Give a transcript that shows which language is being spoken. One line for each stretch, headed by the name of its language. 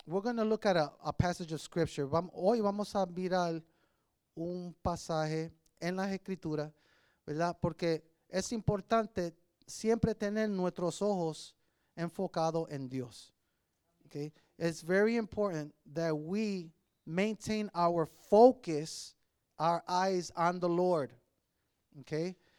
English: We're going to look at a passage of scripture.
Spanish: Hoy vamos a mirar un pasaje en las escrituras, ¿verdad? Porque es importante siempre tener nuestros ojos enfocados en Dios.
English: Okay? It's very important that we maintain our focus, our eyes on the Lord. Okay?